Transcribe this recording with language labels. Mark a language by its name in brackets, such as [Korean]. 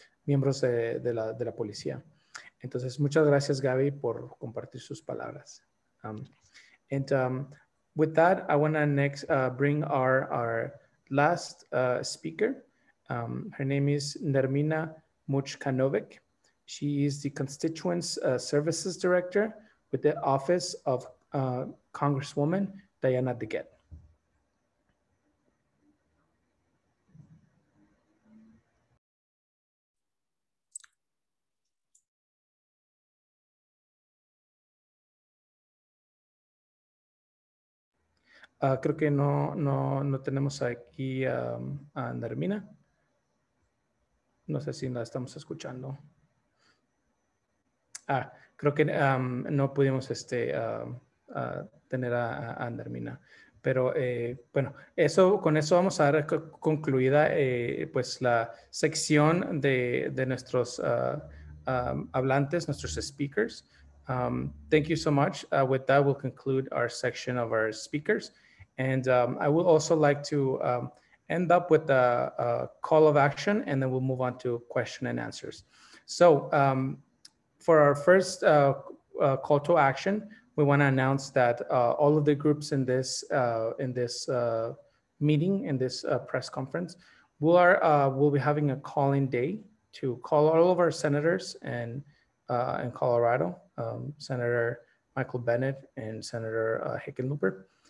[Spanish] miembros de la policía. Entonces, muchas gracias, Gaby, por compartir sus palabras. [English] With that, I want to next bring our last speaker. Her name is Nermina Muchkanovic. She is the Constituents Services Director with the Office of Congresswoman Diana DeGette. [Spanish] Creo que no tenemos aquí a Nermina. No sé si la estamos escuchando. Ah, creo que no pudimos tener a Nermina. Pero bueno, eso, con eso vamos a dar concluida pues la sección de nuestros hablantes, nuestros speakers. [English] Thank you so much. With that, we'll conclude our section of our speakers. And I would also like to end up with a call of action, and then we'll move on to question and answers. So for our first call to action, we want to announce that all of the groups in this meeting, in this press conference, will be having a call-in day to call all of our senators in Colorado, Senator Michael Bennett and Senator Hickenlooper.